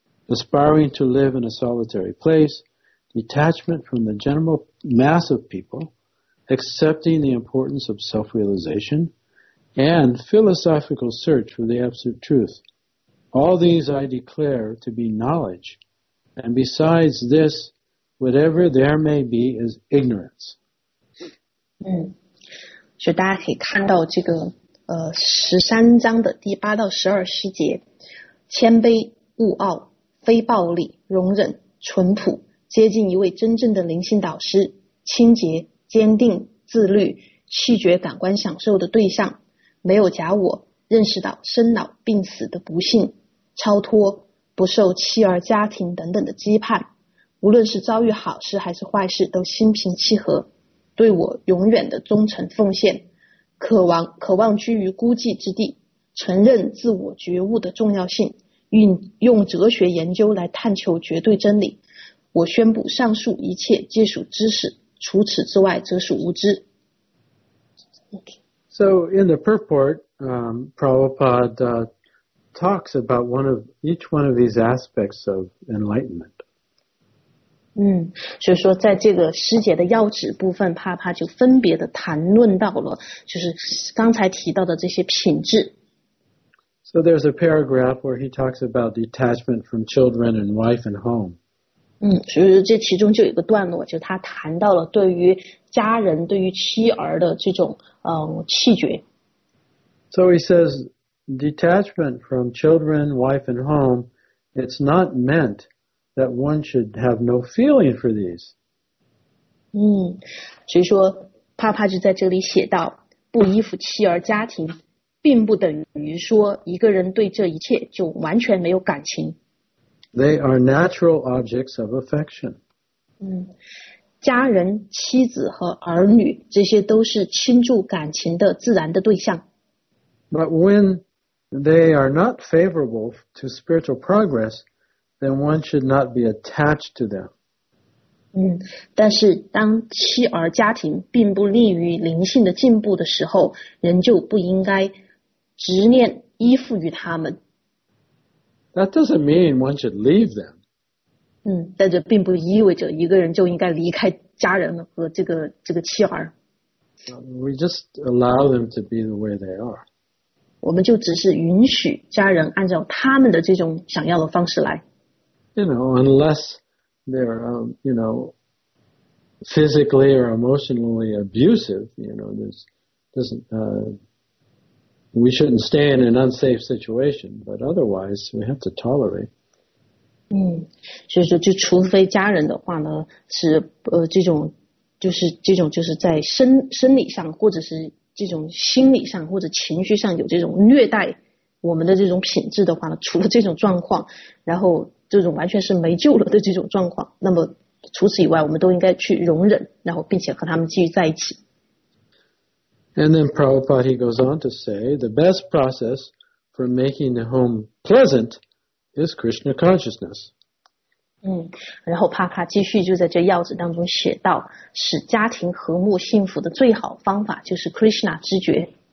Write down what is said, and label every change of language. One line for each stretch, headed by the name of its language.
English: aspiring to live in a solitary place, detachment from the general mass of people, accepting the importance of self-realization, and philosophical search for the absolute truth. All these I declare to be knowledge, and besides this, whatever there may be is ignorance.
Chinese: 所以大家可以看到这个13章的第8到12细节，谦卑、勿傲、非暴力、容忍、淳朴、接近一位真正的灵性导师、清洁、坚定、自律、弃绝感官享受的对象、没有假我、认识到生老病死的不幸、超脱、不受妻儿家庭等等的羁绊，无论是遭遇好事还是坏事都心平气和，对我永远的忠诚奉献，渴望居于孤寂之地，承认自我觉悟的重要性，用哲学研究来探求绝对真理。我宣布上述一切皆属知识，除此之外则属无知。
English: So in the purport, Prabhupada talks about each one of these aspects of enlightenment.
Chinese: 所以说在这个师姐的要旨部分，帕帕就分别的谈论到了就是刚才提到的这些品质。
English: So there's a paragraph where he talks about detachment from children and wife and home.
Chinese: 所以这其中就有一个段落，就是他谈到了对于家人、对于妻儿的这种弃绝。
English: So he says, detachment from children, wife and home, it's not meant that one should have no feeling for these.
Chinese: 所以说帕帕就在这里写到，不依附妻儿家庭并不等于说一个人对这一切就完全没有感情。
English: They are natural objects of affection.
Chinese: 家人、妻子和儿女，这些都是倾注感情的自然的对象。
English: But when they are not favorable to spiritual progress, then one should not be attached to them.
Chinese: 但是当妻儿家庭并不利于灵性的进步的时候，人就不应该执念依附于他们。
English: That doesn't mean one should leave them.
Chinese: 但这并不意味着一个人就应该离开家人和这个妻儿。
English: We just allow them to be the way they are.
Chinese: 我们就只是允许家人按照他们的这种想要的方式来。
English: You know, unless they're, physically or emotionally abusive, we shouldn't stay in an unsafe situation, but otherwise we have to tolerate.
Chinese: 所以说就除非家人的话呢是这种就是在生理上或者是这种心理上或者情绪上有这种虐待我们的这种品质的话呢，除了这种状况，然后这种完全是没救了的这种状况，那么除此以外我们都应该去容忍，然后并且和他们继续在一起。
English: And then Prabhupada, he goes on to say, the best process for making the home pleasant is Krishna consciousness.
Chinese: 然后帕帕继续就在这要旨当中写到，使家庭和睦幸福的最好方法就是 Krishna 知觉。